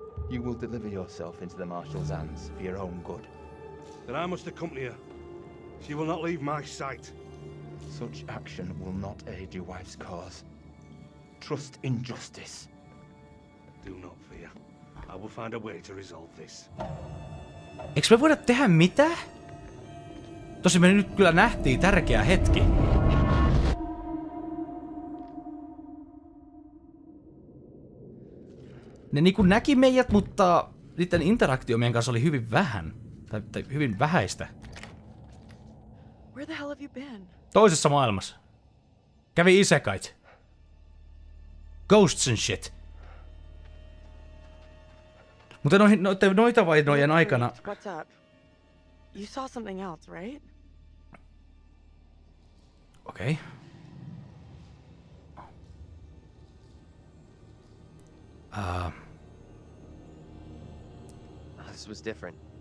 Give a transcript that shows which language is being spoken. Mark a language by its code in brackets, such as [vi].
[en] You will deliver yourself into the Marshal's hands for your own good. Then I must accompany her. She will not leave my sight. Such action will not aid your wife's cause. Trust in justice. Do not fear. I will find a way to resolve this. [fi] Eikö me voida tehdä mitä? Tosi me nyt kyllä nähtiin tärkeä hetki. Ne niinku näki meidät, mutta niiden interaktio meidän kanssa oli hyvin vähän. Tai hyvin vähäistä. [en] Where the hell have you been? [fi] Toisessa maailmassa. Kävi isekait. [en] Ghosts and shit. [fi] Mutta noita vainojen aikana... [en] What's up? You saw something else, right? [fi] Okei. [en] This was different.